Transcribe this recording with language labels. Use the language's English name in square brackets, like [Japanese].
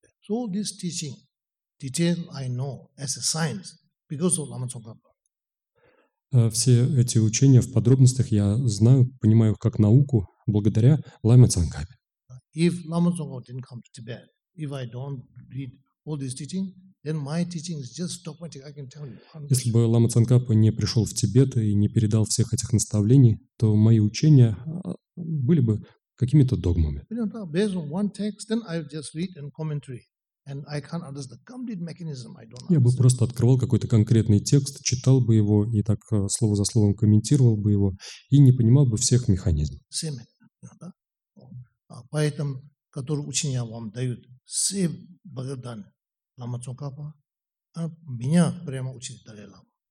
[English] So this teaching, detail I know as a science, because of Lama Tsongkhapa. [Russian] Все эти учения в подробностях я знаю, понимаю их как науку, благодаря Лама Цанкапе. [English] If Lama Tsongkhapa didn't come to Tibet, if I don't read all this teaching, then my teaching is just dogmatic. I can tell you. [Russian] Если бы Лама Цанкапа не пришел в Тибет и не передал всех этих наставлений, то мои учения были бы какими-то догмами. [English] Based on one text, then I just read and commentary. And I can't understand the complete mechanism. I don't understand. [Russian] Я бы просто открывал какой-то конкретный текст, читал бы его и так слово за словом комментировал бы его и не понимал бы всех механизмов. Семен, да? А поэтому, который учения вам дают, все благодарны Лама Цонкапа, а меня прямо учит Далай Лама.